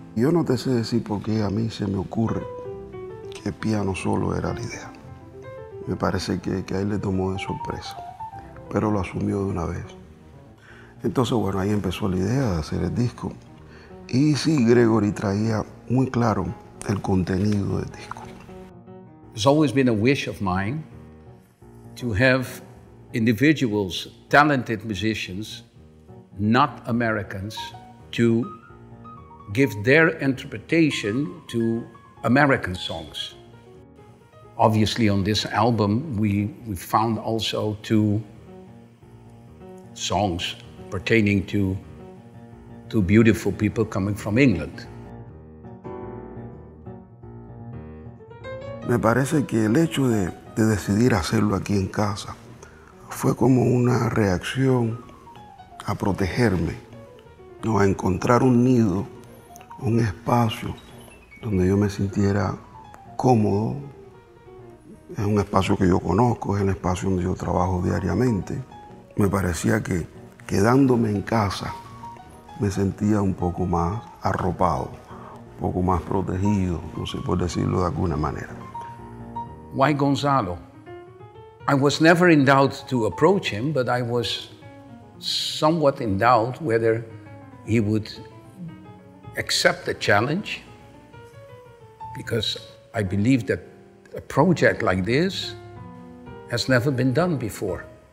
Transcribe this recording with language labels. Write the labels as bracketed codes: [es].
[es] Yo no te sé decir por qué a mí se me ocurre que piano solo era la idea. Me parece que a él le tomó de sorpresa, pero lo asumió de una vez. Entonces, bueno, ahí empezó la idea de hacer el disco. Y sí, Gregory traía muy claro el contenido del disco. [en] It's always been a wish of mine to have individuals, talented musicians, not Americans, to give their interpretation to American songs. Obviously, on this album, we found also two songs pertaining to two beautiful people coming from England. [es] Me parece que el hecho de decidir hacerlo aquí en casa fue como una reacción a protegerme, ¿no? A encontrar un nido, un espacio donde yo me sintiera cómodo. Es un espacio que yo conozco, es el espacio donde yo trabajo diariamente. Me parecía que quedándome en casa me sentía un poco más arropado, un poco más protegido, no sé, por decirlo de alguna manera. [en] Why Gonzalo? I was never in doubt to approach him, but I was somewhat in doubt whether he would accept the challenge, because I believe that a project like this has never been done before.